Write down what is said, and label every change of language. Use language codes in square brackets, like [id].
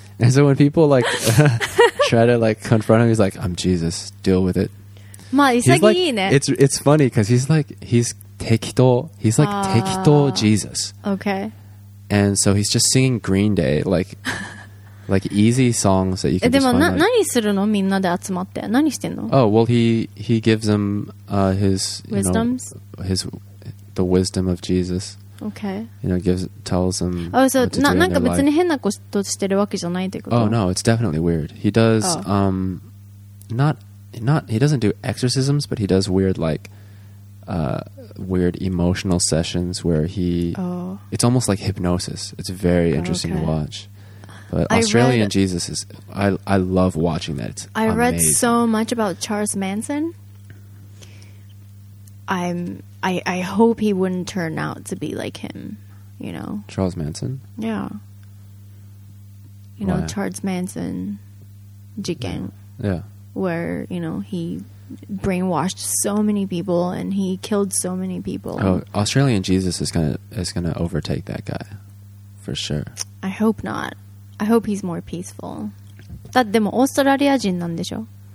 [en] And so when people like try to like confront him, he's like, I'm Jesus. Deal with it. It's funny because he's like Tekito Jesus. Okay. And so he's just singing Green Day like easy songs that you can [ja] でも [en] just find [ja] な、like, 何するのみんなで集まって何してんの [en] oh well he gives them his wisdoms you know, his the wisdom of Jesus okay you know gives tells them oh so [ja] な、なんか別に変なことしてるわけじゃないってこと [en] oh no it's definitely weird he does oh. not he doesn't do exorcisms but he does weird like weird emotional sessions where he oh. it's almost like hypnosis it's very interesting okay. to watch But Australian Jesus is... I love watching that. It's amazing. I read so much about Charles Manson. I hope he wouldn't turn out to be like him, you know? Charles Manson? Yeah. You know, Charles Manson... 事件. Yeah. Where, you know, he brainwashed so many people and he killed so many people. Oh, Australian Jesus is gonna overtake that guy. For sure. I hope not. I hope he's more peaceful. [ja] だってでもオーストラリア人なんでしょ?